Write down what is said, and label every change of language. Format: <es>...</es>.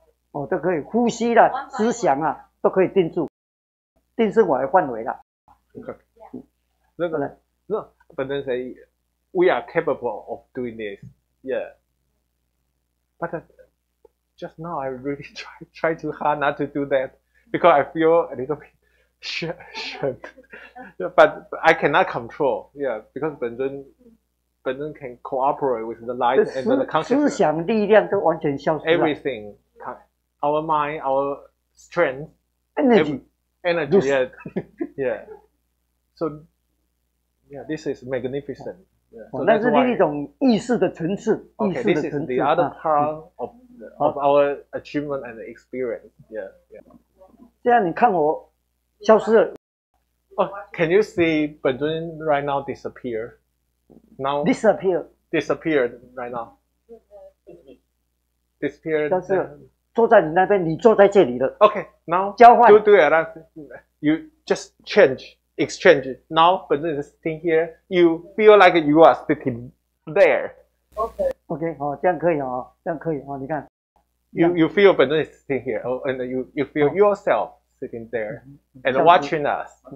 <zh>哦，都可以，呼吸啦，思想啊，都可以定住，定是我的范围啦。</zh> <en>Okay. No, but then say, we are capable of doing this. Yeah. But just now I really try too hard not to do that because I feel a little bit. Sure, but I cannot control. Yeah, because 本尊 can cooperate with the light and the consciousness.</en> <zh>思想力量都完全消失了。</zh> <en>Everything, our mind, our strength, energy, yeah. So, yeah, this is magnificent. Yeah,</en> <zh>哦、那是另一种意识的层次。</zh> <en>Okay, this is the other part of our achievement and experience. Yeah.</en> <zh>这样你看我。消失了。</zh> <en>Oh, can you see 本尊 right now disappear? Now disappear. Disappeared right now. Disappeared.</en> <zh>但是坐在你那边，你坐在这里了。</zh> <en>Okay, now</en> <zh>交换。</zh> <en>Do it. You just change. exchange. Now, for instance, sitting here, you feel like you are sitting there. Okay.</en> <zh>Okay. 好，这样可以哦，这样可以哦。你看。</zh> <en>You feel for instance sitting here, and you feel yourself sitting there and watching us.</en>